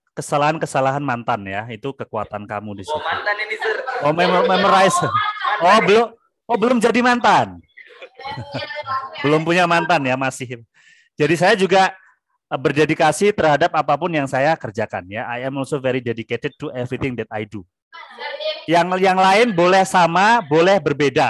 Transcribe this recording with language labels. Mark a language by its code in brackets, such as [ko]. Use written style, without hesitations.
[id] kesalahan-kesalahan mantan ya, itu kekuatan kamu di situ. Oh, mantan ini, sir. Oh, memorize. Oh, belum. Oh, belum jadi mantan. Belum punya mantan ya, masih. Jadi saya juga berdedikasi terhadap apapun yang saya kerjakan ya. [en] I am also very dedicated to everything that I do. [id] Yang lain boleh sama, boleh berbeda.